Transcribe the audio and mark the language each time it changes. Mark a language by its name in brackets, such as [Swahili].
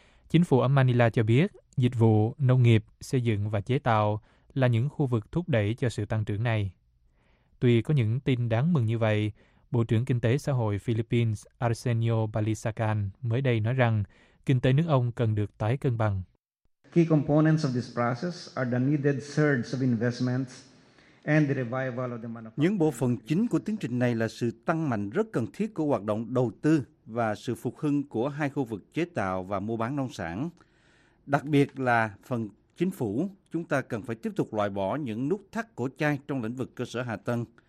[Vietnamese] Chính phủ ở Manila cho biết, dịch vụ, nông nghiệp, xây dựng và chế tạo là những khu vực thúc đẩy cho sự tăng trưởng này. Tuy có những tin đáng mừng như vậy, Bộ trưởng Kinh tế Xã hội Philippines Arsenio Balisacan mới đây nói rằng kinh tế nước ông cần được tái cân bằng. [English] Key components of this process are the needed surge of investments. [Vietnamese] Những bộ phận chính của tiến trình này là sự tăng mạnh rất cần thiết của hoạt động đầu tư và sự phục hưng của hai khu vực chế tạo và mua bán nông sản. Đặc biệt là phần chính phủ, chúng ta cần phải tiếp tục loại bỏ những nút thắt cổ chai trong lĩnh vực cơ sở hạ tầng.